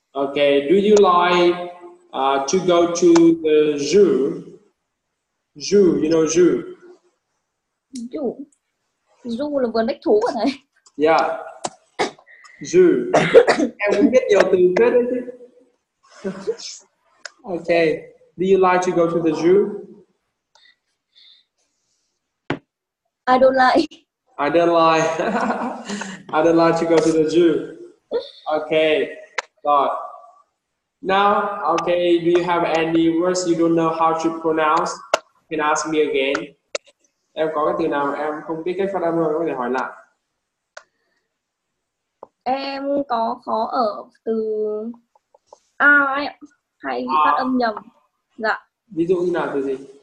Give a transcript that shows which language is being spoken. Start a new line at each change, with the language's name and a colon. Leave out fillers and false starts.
English: Okay, do you like to go to the zoo? Zoo, you know zoo? Zoo.
Vietnamese: Zoo là vườn bách thú của thầy.
English: Yeah. Zoo.
Vietnamese: Em cũng biết nhiều từ hết đấy chứ.
English: Okay. Do you like to go to the zoo? I don't like. I don't like. I don't like to go to the zoo. Okay.
Vietnamese: Rồi.
English: Now, okay, do you have any words you don't know how to pronounce? You can ask me again.
Vietnamese: Em có cái từ nào mà em không biết cách phát âm rồi, có thể hỏi lại. Em có khó ở từ A ấy, hay à. Phát âm nhầm. Dạ. Ví dụ như nào, từ gì?